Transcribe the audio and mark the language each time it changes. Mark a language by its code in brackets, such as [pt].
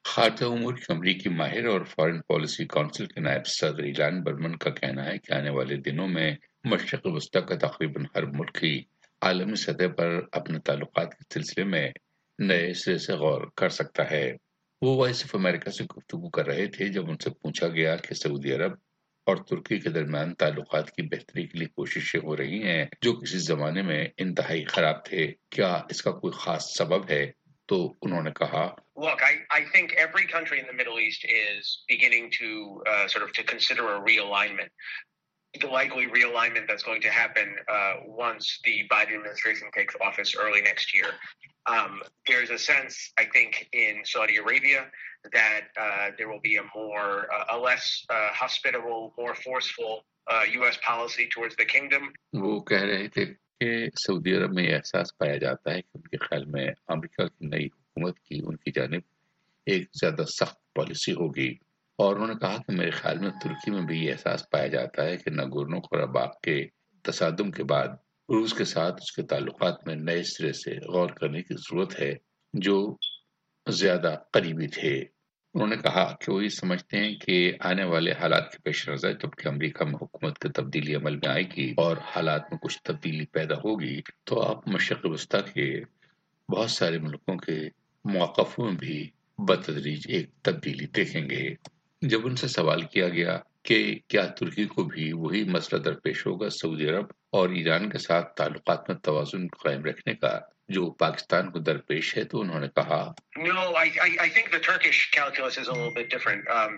[ur] خارجہ امور کے امریکی ماہر اور فارن پالیسی کونسل کے نائب صدر ایلان برمن کا کہنا ہے کہ آنے والے دنوں میں مشرق وسطی کا تقریباً ہر ملک ہی عالمی سطح پر اپنے تعلقات کے سلسلے میں نئے سرے سے غور کر سکتا ہے. وہ وائس آف امریکہ سے گفتگو کر رہے تھے جب ان سے پوچھا گیا کہ سعودی عرب اور ترکی کے درمیان تعلقات کی بہتری کے لیے کوششیں ہو رہی ہیں جو کسی زمانے میں انتہائی خراب تھے، کیا اس کا کوئی خاص سبب ہے؟ تو انہوں نے کہا، [en] Look, I think every country in the Middle East is beginning to sort of to consider a realignment. The likely realignment that's going to happen once the Biden administration takes office early next year. There's a sense, I think, in Saudi Arabia that there will be a more a less hospitable, more forceful US policy towards the kingdom. [ur] وہ کہہ رہے تھے کہ سعودی عرب میں احساس پایا جاتا ہے کہ ان کے خیال میں امریکہ کی نئی حکومت کی ان کی جانب ایک زیادہ سخت پالیسی ہوگی. اور انہوں نے کہا کہ میرے خیال میں ترکی میں بھی یہ احساس پایا جاتا ہے کہ ناگورنو کاراباخ کے تصادم کے بعد روس کے ساتھ اس کے تعلقات میں نئے سرے سے غور کرنے کی ضرورت ہے جو زیادہ قریبی تھے. انہوں نے کہا کہ وہ یہ سمجھتے ہیں کہ آنے والے حالات کے پیش نظر جبکہ امریکہ میں حکومت کی تبدیلی عمل میں آئے گی اور حالات میں کچھ تبدیلی پیدا ہوگی تو آپ مشرق وسطی کے بہت سارے ملکوں کے موقفوں میں بھی بتدریج ایک تبدیلی دیکھیں گے. جب ان سے سوال کیا گیا کہ کیا ترکی کو بھی وہی مسئلہ درپیش ہوگا سعودی عرب اور ایران کے ساتھ تعلقات میں توازن قائم رکھنے کا جو پاکستان کو درپیش ہے، تو انہوں نے کہا، [en] No, I think the Turkish calculus is a little bit different.